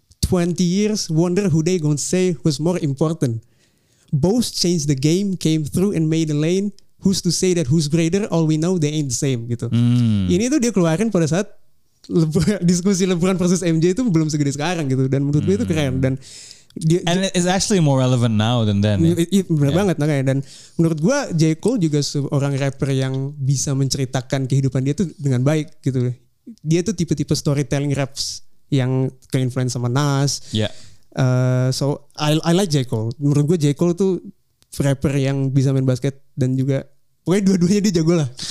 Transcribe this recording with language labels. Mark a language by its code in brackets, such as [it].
[en] 20 years wonder who they gonna say was more important. Both changed the game, came through and made a lane. Who's to say that who's greater? All we know they ain't the same." [id] Gitu. Ini tuh dia keluarin pada saat diskusi LeBron versus MJ itu belum segede sekarang gitu. Dan menurut gue itu keren. Dan [en] dia, and it's actually more relevant now than then. [id] Benar banget, nah, kayak. Dan menurut gue J. Cole juga seorang rapper yang bisa menceritakan kehidupan dia tuh dengan baik gitu. Dia tuh tipe-tipe storytelling raps yang ke-influence sama Nas. [en] Yeah. So I like J. Cole. [id] Menurut gue [en] J. [id] Cole tuh rapper yang bisa main basket dan juga pokoknya dua-duanya dia jago lah.